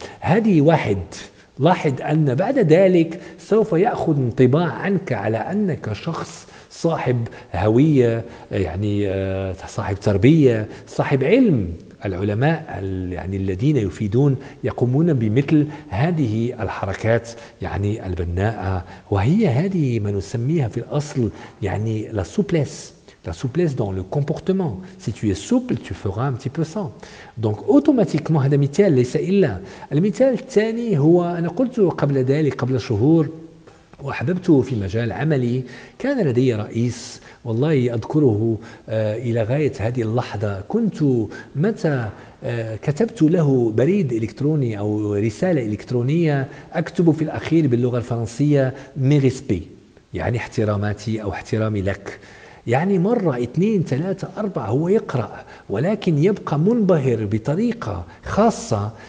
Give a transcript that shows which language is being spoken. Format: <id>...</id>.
<ar>هذه واحد، لاحظ أن بعد ذلك سوف يأخذ انطباع عنك على أنك شخص صاحب هوية، يعني صاحب تربية، صاحب علم. العلماء يعني الذين يفيدون يقومون بمثل هذه الحركات يعني البناءة، وهي هذه ما نسميها في الأصل يعني la souplesse.</ar> <fr>La souplesse dans le comportement. Si tu es souple, tu feras un petit peu ça. Donc, automatiquement,</fr> <ar>هذا مثال ليس إلا. المثال الثاني هو أنا قلت قبل ذلك قبل شهور وأحببته في مجال عملي، كان لدي رئيس والله أذكره إلى غاية هذه اللحظة. كنت متى كتبت له بريد إلكتروني أو رسالة إلكترونية أكتب في الأخير باللغة الفرنسية ميريسبي، يعني احتراماتي أو احترامي لك، يعني مرة اثنين ثلاثة أربعة هو يقرأ، ولكن يبقى منبهر بطريقة خاصة.</ar>